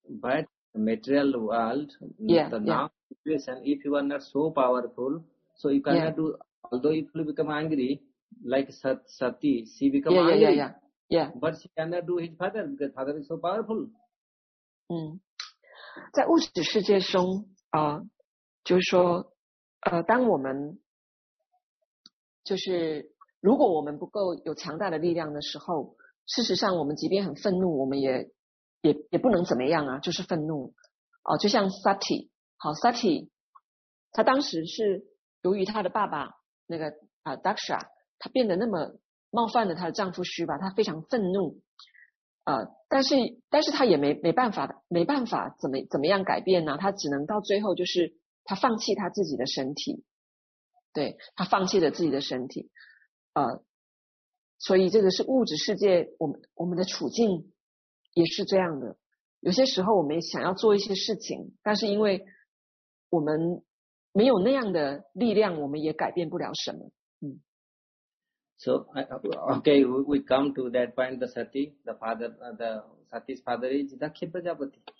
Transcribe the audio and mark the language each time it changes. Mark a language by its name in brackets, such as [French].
[English] But material world, the now situation, if you are not so powerful, so you cannot do, although if you become angry, like Sati, she become angry. Yeah. But she cannot do his father, because father is so powerful. [Chinese] 在物质世界中，就是说，当我们，就是，如果我们不够有强大的力量的时候，事实上我们即便很愤怒，我们也不能怎么样啊，就是愤怒。就像 Sati, 好 ,Sati, 他当时是由于他的爸爸那个Daksha, 他变得那么冒犯了他的丈夫Shiva,他非常愤怒。但是他也没办法怎么样改变啊，他只能到最后就是他放弃他自己的身体。对，他放弃了自己的身体。所以这个是物质世界我们的处境。也是这样的，有些时候我们也想要做一些事情，但是因为我们没有那样的力量，我们也改变不了什么。 [English] So okay, we come to that point. The Sati, the father, the Sati's father is the Kshiprajapati.